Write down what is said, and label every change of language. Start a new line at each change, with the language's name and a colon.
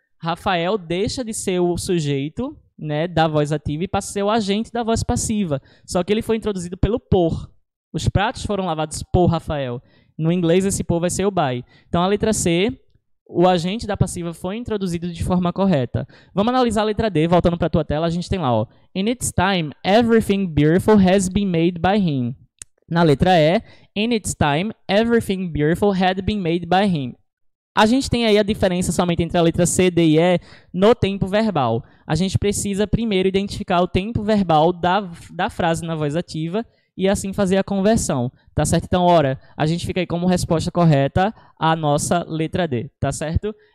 Portuguese: Rafael deixa de ser o sujeito, né, da voz ativa e passa a ser o agente da voz passiva. Só que ele foi introduzido pelo por. Os pratos foram lavados por Rafael. No inglês, esse por vai ser o by. Então, a letra C, o agente da passiva foi introduzido de forma correta. Vamos analisar a letra D, voltando para a tua tela. A gente tem lá, ó.
English: In its time, everything beautiful has been made by him.
Portuguese: Na letra E,
English: in its time, everything beautiful had been made by him.
Portuguese: A gente tem aí a diferença somente entre a letra C, D e E no tempo verbal. A gente precisa primeiro identificar o tempo verbal da frase na voz ativa e assim fazer a conversão, tá certo? Então, ora, a gente fica aí como resposta correta à nossa letra D, tá certo?